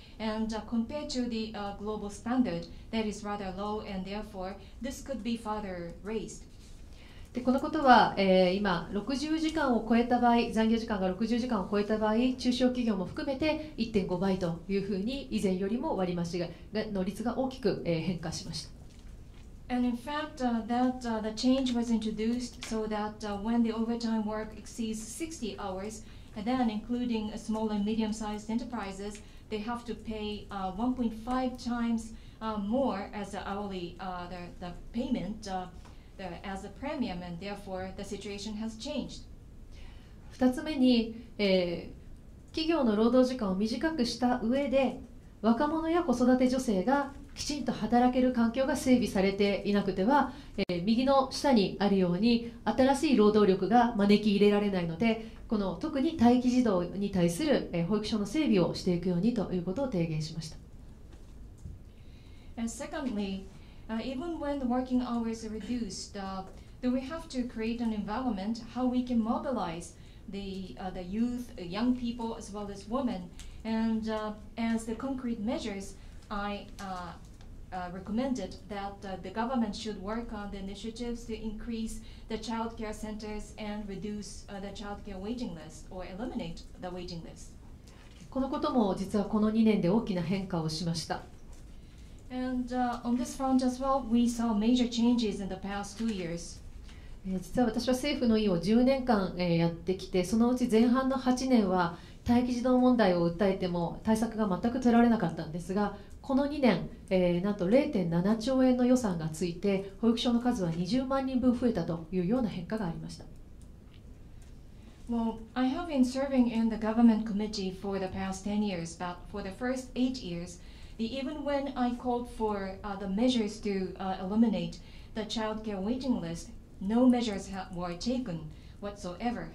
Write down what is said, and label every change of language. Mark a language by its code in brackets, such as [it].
[en] And compared to the global standard, that is rather low, and therefore, this could be further raised. [ja] で、このことは、今、60時間を超えた場合、残業時間が60時間を超えた場合、中小企業も含めて 1.5 倍というふうに、以前よりも割増の率が大きく、変化しました。 [en] And in fact, the change was introduced so that when the overtime work exceeds 60 hours, then including small and medium-sized enterprises, they have to pay 1.5 times more as the hourly the payment as a premium, and therefore the situation has changed. [ja] 二つ目に、企業の労働時間を短くした上で、若者や子育て女性がきちんと働ける環境が整備されていなくては、右の下にあるように新しい労働力が招き入れられないので、この特に待機児童に対する保育所の整備をしていくようにということを提言しました。 [en] And secondly, even when the working hours are reduced, do we have to create an environment how we can mobilize the youth, young people as well as women, and as the concrete measuresI recommended that the government should work on the initiatives to increase the child care centers and reduce the child care waiting list or eliminate the waiting list. [ja] このことも実はこの2年で大きな変化をしました。 [en] And on this front as well, we saw major changes in the past two years. [ja] 実は私は政府の委員を10年間やってきて、そのうち前半の8年は待機児童問題を訴えても対策が全く取られなかったんですが、この2年、なんと 0.7 兆円の予算がついて、保育所の数は20万人分増えたというような変化がありました。 [en] Well, I have been serving in the government committee for the past 10 years, but for the first 8 years, even when I called for the measures to eliminate the child care waiting list, no measures were taken whatsoever.